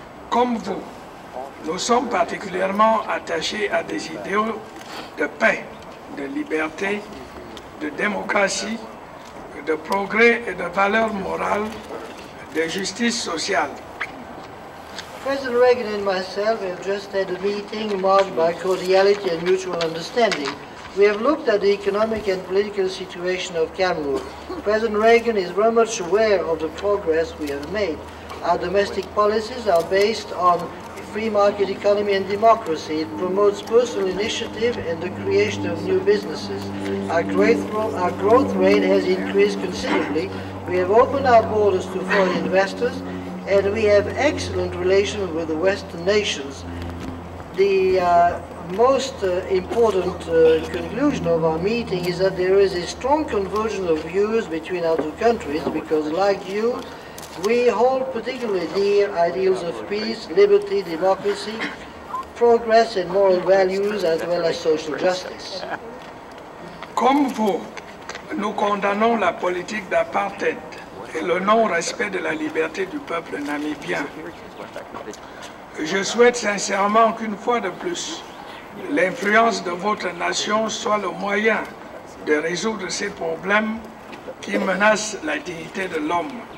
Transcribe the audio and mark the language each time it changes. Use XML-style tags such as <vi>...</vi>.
<fr>Comme vous, nous sommes particulièrement attachés à des idéaux de paix, de liberté, de démocratie, de progrès et de valeurs morales, de justice sociale.</fr> <en>President Reagan and myself have just had a meeting marked by cordiality and mutual understanding We have looked at the economic and political situation of Cameroon. President Reagan is very much aware of the progress we have made. Our domestic policies are based on free market economy and democracy. It promotes personal initiative and the creation of new businesses. Our growth rate has increased considerably. We have opened our borders to foreign investors, and we have excellent relations with the Western nations. The most important conclusion of our meeting is that there is a strong convergence of views between our two countries, because like you, we hold particularly dear ideals of peace, liberty, democracy, progress and moral values, as well as social justice.</en> <fr>Comme vous, nous condamnons la politique d'apartheid et le non-respect de la liberté du peuple namibien. Je souhaite sincèrement qu'une fois de plus, l'influence de votre nation soit le moyen de résoudre ces problèmes qui menacent la dignité de l'homme.</fr>